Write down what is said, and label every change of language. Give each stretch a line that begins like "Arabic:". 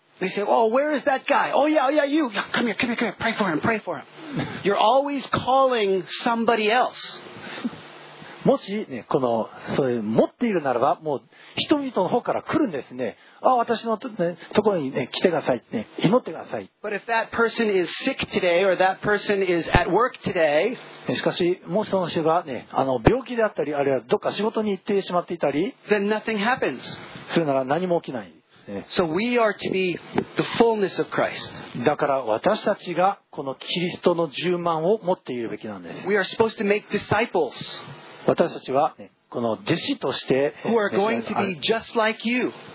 English: They say, "Oh, where is that guy? Oh, yeah, yeah, you. Yeah, come here, come here, come here. Pray for him. Pray for him." You're always calling somebody else.
Japanese: もし、ね、このそういう持っているならば、もう人々の方から来るんですね。あ、私の、ね、ところに、ね、来てくださいね、祈ってください。
English: But if that person is sick today or that person is at work today,
Japanese: しかし、もしその人が、ね、病気であったり、あるいはどっか仕事に行ってしまっていたり、
English: then nothing happens.
Japanese: するなら何も起きない。
English: So we are to be the fullness of Christ.
Japanese: だから私たちがこのキリストの充満を持っているべきなんです。
English: We are supposed to make disciples.
Japanese: 私たちは、ね、この弟子として、
English: Who are going to be just like you.